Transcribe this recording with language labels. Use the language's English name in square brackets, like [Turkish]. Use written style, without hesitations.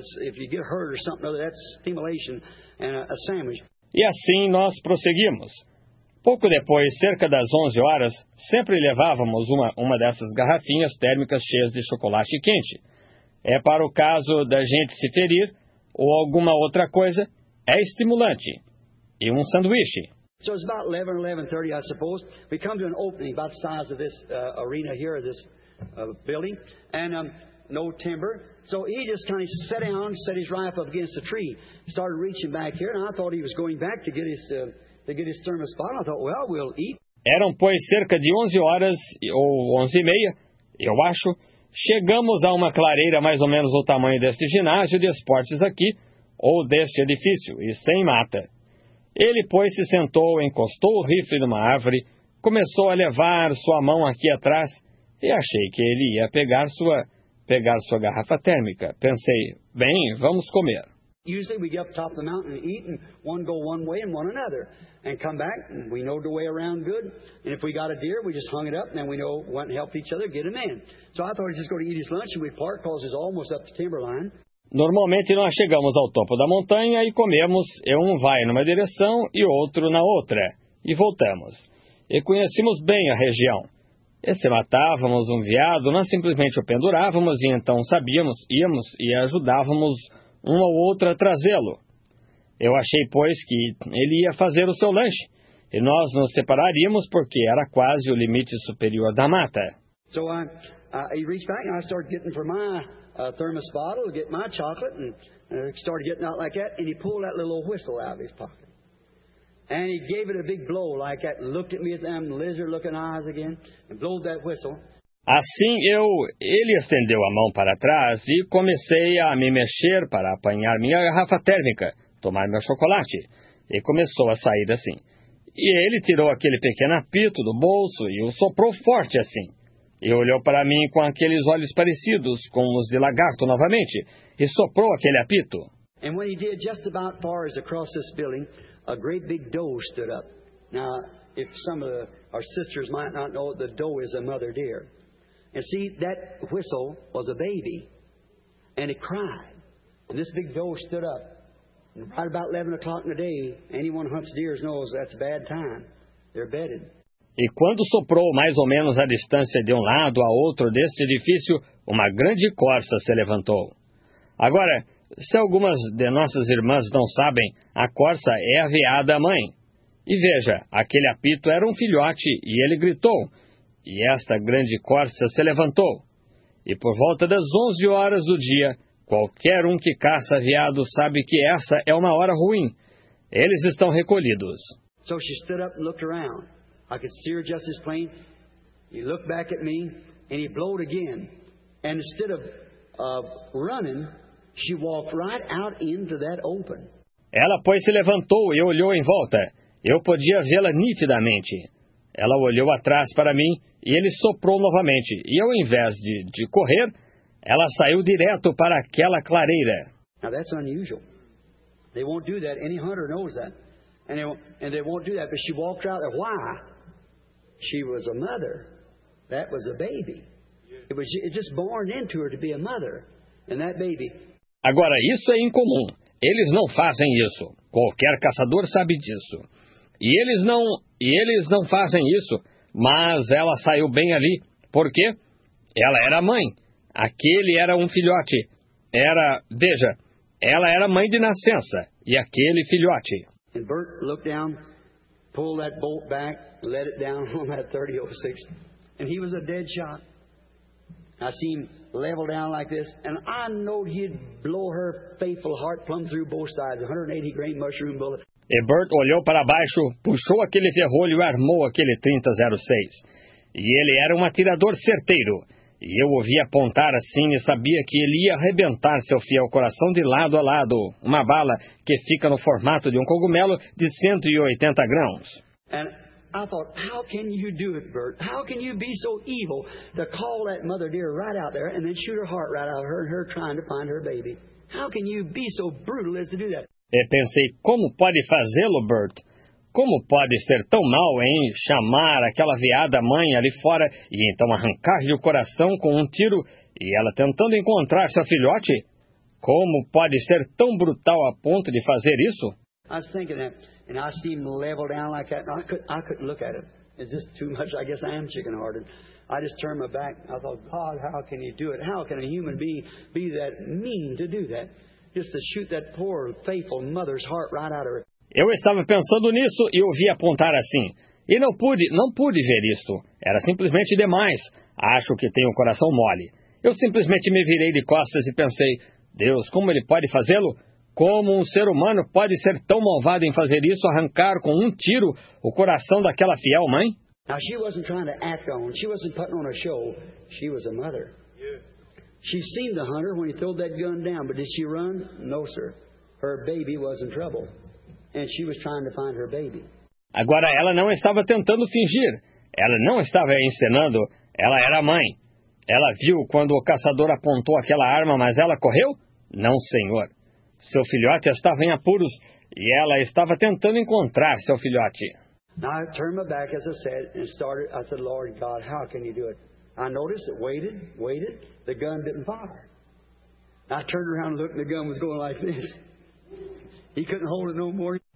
[English] It's, if you get hurt or something, that's stimulation, and a sandwich. [Portuguese] E assim nós prosseguimos. Pouco depois, cerca das 11 horas, sempre levávamos uma dessas garrafinhas térmicas cheias de chocolate quente. É para o caso da gente se ferir ou alguma outra coisa, é estimulante. E um sanduíche. [English] So it's about 11:30, I suppose. We come to an opening about the size of this arena here, this building, and no timber. So he just kind of sat down, set his rifle up against the tree, started reaching back here, and I thought he was going back to get his thermos bottle. I thought, well, we'll eat. [Portuguese] Eram pois cerca de 11 horas ou 11:30, eu acho. Chegamos a uma clareira mais ou menos do tamanho deste ginásio de esportes aqui, ou deste edifício, e sem mata. Ele, pois, se sentou, encostou o rifle numa árvore, começou a levar sua mão aqui atrás, e achei que ele ia pegar sua garrafa térmica. Pensei, bem, vamos comer. [English] Usually we get up top of the mountain and eat, and one go one way and one another, and come back, and we know the way around good, and if we got a deer, we just hung it up, and then we know, went and helped each other get him in. So I thought he'd just go to eat his lunch, and we'd park, cause he's almost up the timber line. [Portuguese] Normalmente nós chegamos ao topo da montanha e comemos, e um vai numa direção e outro na outra, e voltamos. E conhecemos bem a região. E se matávamos um veado, nós simplesmente o pendurávamos e então sabíamos, íamos e ajudávamos um ao outro a trazê-lo. Eu achei, pois, que ele ia fazer o seu lanche, e nós nos separaríamos porque era quase o limite superior da mata. [English] So I reached back and I started getting for my... a thermos bottle, get my chocolate, and started getting out like that, and he pulled that little whistle out of his pocket. And he gave it a big blow like that, and looked at me with them lizard-looking eyes again, and blew that whistle. [Portuguese] Assim ele estendeu a mão para trás e comecei a me mexer para apanhar minha garrafa térmica, tomar meu chocolate, e começou a sair assim. E ele tirou aquele pequeno apito do bolso e o soprou forte assim. E olhou para mim com aqueles olhos parecidos com os de lagarto novamente, e soprou aquele apito. [English] And when he did, just about far as across this building, a great big doe stood up. Now, if some of our sisters might not know, the doe is a mother deer. And see, that whistle was a baby, and it cried. And this big doe stood up. And right about 11 o'clock in the day, anyone who hunts deers knows that's a bad time. They're bedded. [Portuguese] E quando soprou mais ou menos a distância de lado a outro desse edifício, uma grande corça se levantou. Agora, se algumas de nossas irmãs não sabem, a corça é a veada mãe. E veja, aquele apito era um filhote e ele gritou. E esta grande corça se levantou. E por volta das 11 horas do dia, qualquer um que caça veado sabe que essa é uma hora ruim. Eles estão recolhidos. [English] So she stood up and looked around. I could see her just as plain. He looked back at me and he blowed again. And instead of running, she walked right out into that open. [Portuguese] Ela, pois, se levantou e olhou em volta. Eu podia vê-la nitidamente. Ela olhou atrás para mim e ele soprou novamente. E ao invés de correr, ela saiu direto para aquela clareira. [English] Now that's unusual. They won't do that. Any hunter knows that. And they won't do that. But she walked out there. Why? She was a mother. That was a baby. It just born into her to be a mother. And that baby. [Portuguese] Agora, isso é incomum. Eles não fazem isso. Qualquer caçador sabe disso. E eles não fazem isso. Mas ela saiu bem ali. Por quê? Ela era mãe. Aquele era um filhote. Veja, ela era mãe de nascença. E aquele filhote. [English] And Bert looked down, pulled that bolt back, let it down on that 30-06. And he was a dead shot. I see him level down like this, and I knowed he'd blow her faithful heart plumb through both sides, 180 grain mushroom bullet. [Portuguese] E Bert olhou para baixo, puxou aquele ferrolho e armou aquele 30-06. E ele era um atirador certeiro. E eu ouvi apontar assim e sabia que ele ia arrebentar seu fiel coração de lado a lado, uma bala que fica no formato de um cogumelo de 180 grãos. [English] And I thought, how can you do it, Bert? How can you be so evil to call that mother deer right out there and then shoot her heart right out of her and her trying to find her baby? How can you be so brutal as to do that? [Portuguese] E pensei, como pode fazê-lo, Bert? Como pode ser tão mal em chamar aquela veada mãe ali fora e então arrancar-lhe o coração com um tiro e ela tentando encontrar seu filhote? Como pode ser tão brutal a ponto de fazer isso? [English] I was thinking that, and I see him level down like that, and I couldn't look at him. It's just too much. I guess I am chicken-hearted. I just turned my back. I thought, God, how can you do it? How can a human being be that mean to do that? Just to shoot that poor, faithful mother's heart right out of her. [Portuguese] Eu estava pensando nisso e ouvi apontar assim. E não pude ver isto. Era simplesmente demais. Acho que tenho o coração mole. Eu simplesmente me virei de costas e pensei, Deus, como ele pode fazê-lo? Como um ser humano pode ser tão malvado em fazer isso, arrancar com um tiro o coração daquela fiel mãe? [English] Now, she wasn't trying to act on. She wasn't putting on a show. She was a mother. She seen the hunter when he threw that gun down, but did she run? No, sir. Her baby was in trouble. And she was trying to find her baby. [Portuguese] Agora, ela não estava tentando fingir. Ela não estava encenando. Ela era mãe. Ela viu quando o caçador apontou aquela arma, mas ela correu? Não, senhor. Seu filhote estava em apuros, e ela estava tentando encontrar seu filhote. [English] Now, I turned my back, as I said, and started. I said, Lord God, how can you do it? I noticed it waited. The gun didn't fire. I turned around and looked, and the gun was going like this. He couldn't hold it no more.